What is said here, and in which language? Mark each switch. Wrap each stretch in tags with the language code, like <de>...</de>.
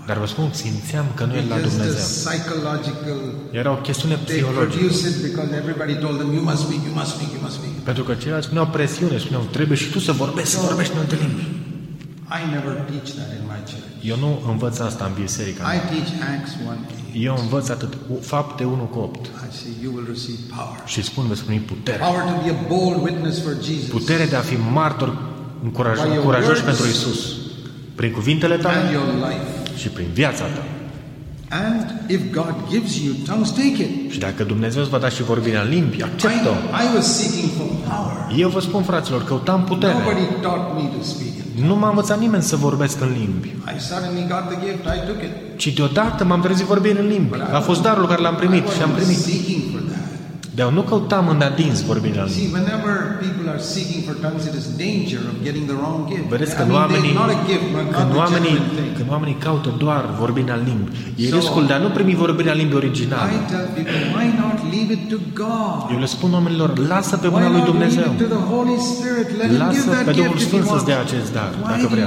<ro>Dar vă spun, simțeam că nu e la Dumnezeu.</ro> <en>Psychological.</en> <ro>Era o chestiune psihologică.</ro> <en>They produce it because everybody told them you must speak, you must speak, you must speak.</en> <ro>Pentru că ceilalți spuneau presiune, spuneau trebuie și tu să vorbești, să vorbești în alte limbi.</ro> <en>I never teach that in my church.</en> <ro>Eu nu învăț asta în biserică.</ro> <en>I teach Acts 1:8.</en> <ro>Eu învăț atât Fapte 1:8.</ro> <en>I say you will receive power.</en> <ro>Și spun veți primi putere.</ro> <en>Power to be a bold witness for Jesus.</en> <ro>Putere de a fi martor curajos pentru Isus. Prin cuvintele tale.</ro> <en>And your life.</en> <ro>Și prin viața ta.</ro> <en>And if God gives you tongues, take it.</en> <ro>Și dacă Dumnezeu îți va da și vorbirea în limbi, acceptă-o.</ro> <en>I was seeking for power.</en> <ro>Eu vă spun, fraților, căutam putere.</ro> <en>Nobody taught me to speak.</en> <ro>Nu m-a învățat nimeni să vorbesc în limbi.</ro> <en>I suddenly got the gift, I took it.</en> <ro>Ci deodată m-am trezit vorbind în limbi. A fost darul care l-am primit și am primit. Dar nu căutam în adins vorbirea lui.</ro> <en>Whenever people are seeking for tongues, it is danger of getting the wrong gift.</en> <ro>Vedeți că oamenii caută doar vorbirea în limbi. E riscul de a nu primi vorbirea în limbi originală.</ro> <en>Why not leave it to God?</en> <ro>Eu le spun oamenilor, lasă pe mâna lui Dumnezeu.</ro> <en>Leave it to the Holy Spirit.</en> <ro>Lasă pe Duhul Sfânt să-ți dea acest dar, dacă vrea.</ro>